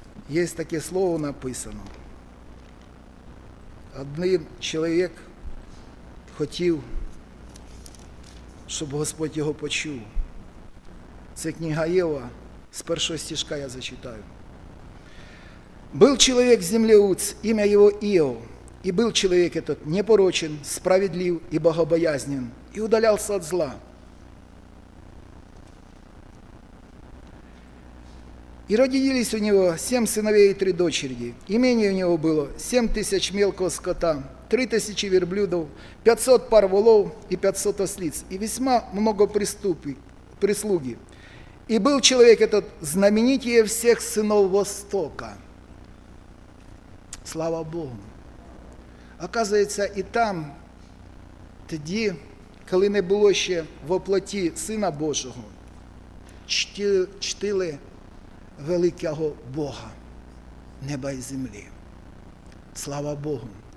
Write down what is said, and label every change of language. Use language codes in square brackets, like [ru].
[uk] Є таке слово написано. Один чоловік хотів, щоб Господь його почув. Це книга Єва, з першого стишка я зачитаю. [ru] «Был человек в земле Уц, имя его Ио, и был человек этот непорочен, справедлив и богобоязнен, и удалялся от зла. И родились у него 7 сыновей и 3 дочери. Имение у него было 7 тысяч мелкого скота, 3 тысячи верблюдов, 500 пар волов и 500 ослиц, и весьма много прислуги. И был человек этот знаменитее всех сынов Востока». Слава Богу! [uk] Оказується, і там, тоді, коли не було ще во плоті Сина Божого, чтили великого Бога неба і землі. Слава Богу!